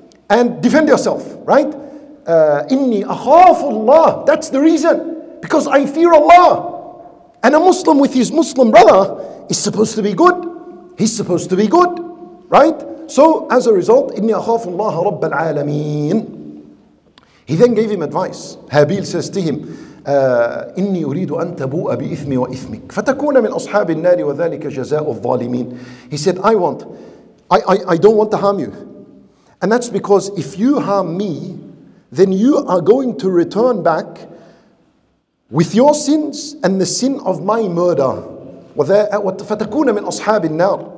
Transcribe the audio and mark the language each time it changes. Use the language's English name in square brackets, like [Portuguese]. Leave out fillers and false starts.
[English] And defend yourself, right? [Arabic] Inni akhafu Allah. [English] That's the reason. Because I fear Allah. And a Muslim with his Muslim brother is supposed to be good. He's supposed to be good, right? So as a result, [Arabic] inni akhafu Allah rabbal alameen. [English] He then gave him advice. Habil says to him, [Arabic] إني أريد أن تبوء بإثمي وإثمك فتكون من أصحاب النار وذلك جزاء الظالمين. [English] He said, I don't want to harm you. And that's because if you harm me, then you are going to return back with your sins and the sin of my murder. [Arabic] فتكون من أصحاب النار.